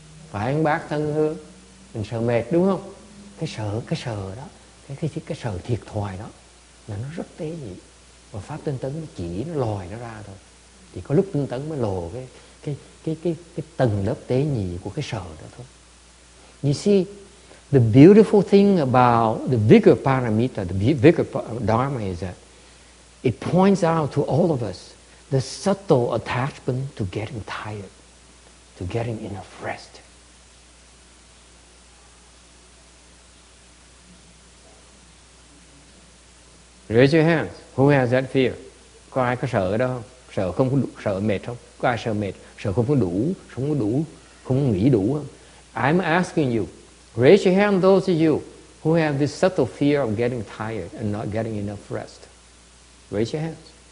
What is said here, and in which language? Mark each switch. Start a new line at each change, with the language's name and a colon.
Vietnamese: Phải ăn bát thân hương, mình sợ mệt đúng không? Cái sợ đó, cái sợ thiệt thòi đó, là nó rất tế nhị. Và pháp tinh tấn chỉ nó lòi nó ra thôi. Chỉ có lúc tinh tấn mới lộ cái tầng lớp tế nhị của cái sợ đó thôi.
English: You see, the beautiful thing about the vigor paramita, the vigor dharma, is that it points out to all of us the subtle attachment to getting tired, to getting enough rest. Raise your hands. Who has that fear?
Vietnamese: Có ai có sợ đó không? Sợ không có đủ, sợ mệt không? Có ai sợ mệt? Sợ không có đủ, không có nghỉ đủ không?
English: I'm asking you, raise your hand, those of you who have this subtle fear of getting tired and not getting enough rest. Raise your hands.